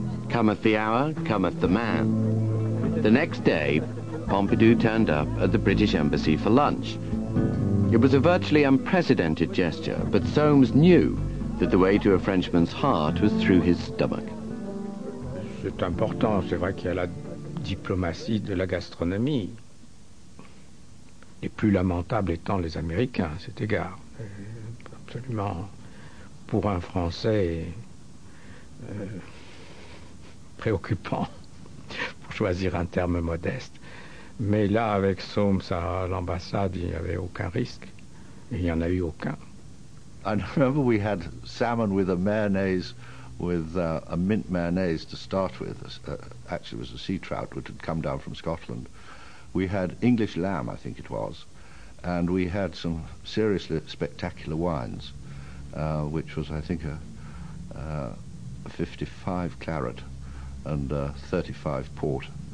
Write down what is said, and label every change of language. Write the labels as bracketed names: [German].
[English] Cometh the hour, cometh the man. The next day, Pompidou turned up at the British Embassy for lunch. It was a virtually unprecedented gesture, but Soames knew that the way to a Frenchman's heart was through his stomach. [French] C'est important, c'est vrai qu'il y a la diplomatie de la gastronomie. Les plus lamentables étant les Américains à cet égard. Absolument, pour un Français, préoccupant, pour choisir un terme modeste. Mais là, avec Soames à l'ambassade, il n'y avait aucun risque. Il n'y en a eu aucun. [English] I remember we had salmon with a mayonnaise, with a mint mayonnaise to start with. Actually, it was a sea trout which had come down from Scotland. We had English lamb, I think it was, and we had some seriously spectacular wines, which was, I think, a 55 claret and a 35 port.